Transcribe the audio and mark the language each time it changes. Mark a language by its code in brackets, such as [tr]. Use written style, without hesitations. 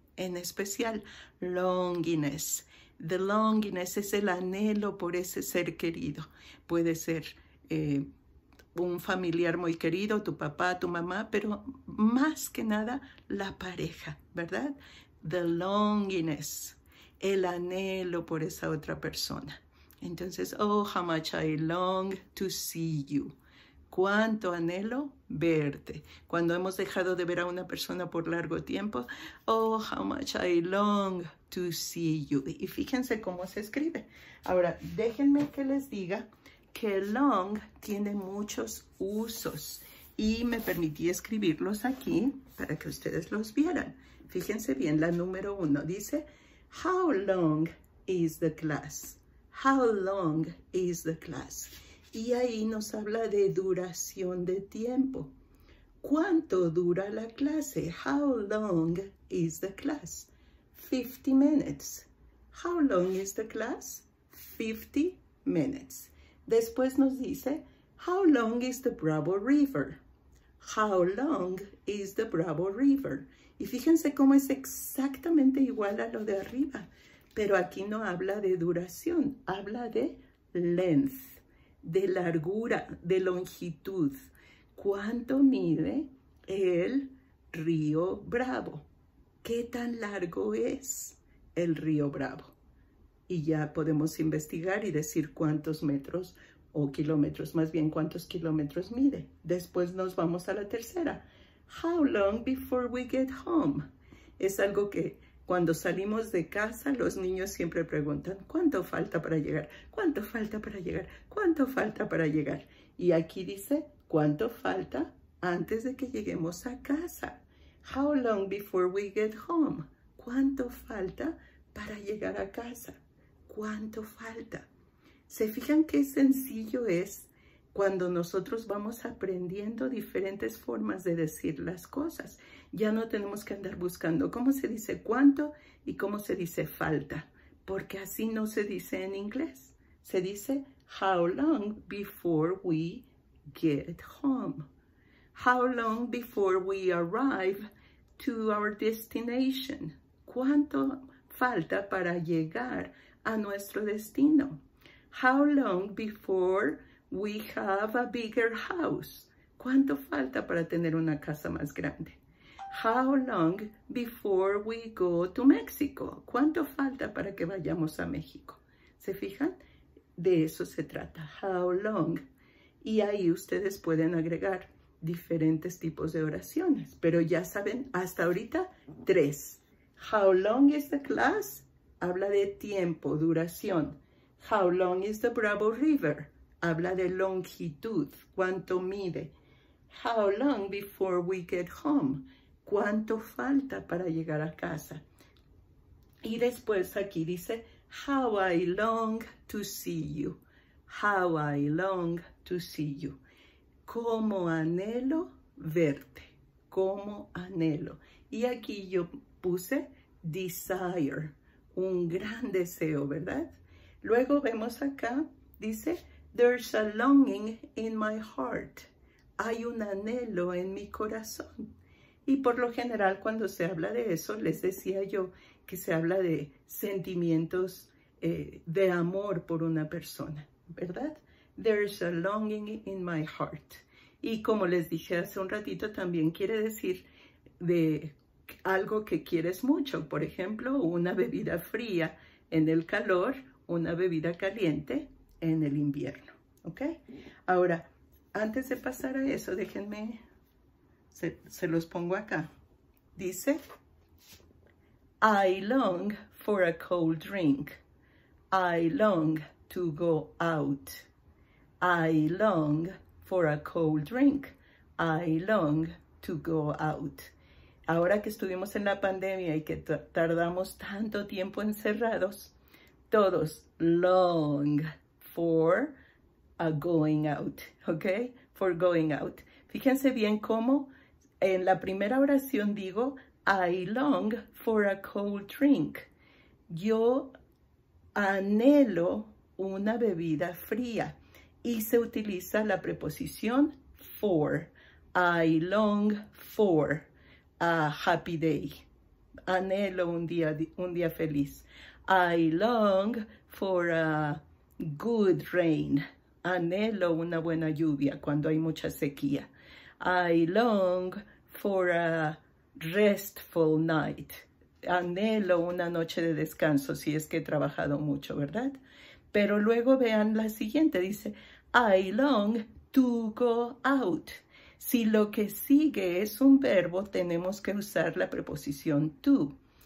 [es] En especial, longiness. The longiness es el anhelo por ese ser querido. Puede ser un familiar muy querido, tu papá, tu mamá, pero más que nada la pareja, ¿verdad? The longiness, el anhelo por esa otra persona. [en] Entonces, oh, how much I long to see you. [es] ¿Cuánto anhelo verte? Cuando hemos dejado de ver a una persona por largo tiempo, [en] oh, how much I long to see you. [es] Y fíjense cómo se escribe. Ahora, déjenme que les diga que long tiene muchos usos y me permití escribirlos aquí para que ustedes los vieran. Fíjense bien, la número uno dice, [en] how long is the class? How long is the class? [es] Y ahí nos habla de duración de tiempo. ¿Cuánto dura la clase? [en] How long is the class? 50 minutes. How long is the class? 50 minutes. [es] Después nos dice, [en] how long is the Bravo River? How long is the Bravo River? [es] Y fíjense cómo es exactamente igual a lo de arriba, pero aquí no habla de duración, habla de length, de largura, de longitud. ¿Cuánto mide el río Bravo? ¿Qué tan largo es el río Bravo? Y ya podemos investigar y decir cuántos metros o kilómetros, más bien cuántos kilómetros mide. Después nos vamos a la tercera. [en] How long before we get home? [es] Es algo que cuando salimos de casa, los niños siempre preguntan, ¿cuánto falta para llegar? ¿Cuánto falta para llegar? ¿Cuánto falta para llegar? Y aquí dice, ¿cuánto falta antes de que lleguemos a casa? [en] How long before we get home? [es] ¿Cuánto falta para llegar a casa? ¿Cuánto falta? ¿Se fijan qué sencillo es cuando nosotros vamos aprendiendo diferentes formas de decir las cosas? Ya no tenemos que andar buscando cómo se dice cuánto y cómo se dice falta, porque así no se dice en inglés. Se dice [en] how long before we get home. How long before we arrive to our destination? [es] ¿Cuánto falta para llegar a nuestro destino? [en] How long before we have a bigger house? [es] ¿Cuánto falta para tener una casa más grande? [en] How long before we go to Mexico? [es] ¿Cuánto falta para que vayamos a México? ¿Se fijan? De eso se trata. [en] How long? [es] Y ahí ustedes pueden agregar diferentes tipos de oraciones. Pero ya saben, hasta ahorita, tres. [en] How long is the class? [es] Habla de tiempo, duración. [en] How long is the Bravo River? [es] Habla de longitud, cuánto mide. [en] How long before we get home? [es] ¿Cuánto falta para llegar a casa? Y después aquí dice, [en] how I long to see you. How I long to see you. [es] ¿Cómo anhelo verte? ¿Cómo anhelo? Y aquí yo puse desire, un gran deseo, ¿verdad? Luego vemos acá, dice, [en] there's a longing in my heart. [es] Hay un anhelo en mi corazón. Y por lo general, cuando se habla de eso, les decía yo que se habla de sentimientos de amor por una persona, ¿verdad? [en] There's a longing in my heart. [es] Y como les dije hace un ratito, también quiere decir de algo que quieres mucho. Por ejemplo, una bebida fría en el calor, una bebida caliente en el invierno, ¿ok? Ahora, antes de pasar a eso, déjenme, se los pongo acá. [en] Dice, I long for a cold drink. I long to go out. I long for a cold drink. I long to go out. [es] Ahora que estuvimos en la pandemia y que tardamos tanto tiempo encerrados, todos [en] long for a going out, [es] ¿ok? [en] For going out. [es] Fíjense bien cómo en la primera oración digo, [en] I long for a cold drink. [es] Yo anhelo una bebida fría. Y se utiliza la preposición for. [en] I long for a happy day. [es] Anhelo un día feliz. [en] I long for a good rain. [es] Anhelo una buena lluvia cuando hay mucha sequía. [en] I long for a restful night. [es] Anhelo una noche de descanso si es que he trabajado mucho, ¿verdad? Pero luego vean la siguiente. Dice, [en] I long to go out. [es] Si lo que sigue es un verbo, tenemos que usar la preposición to.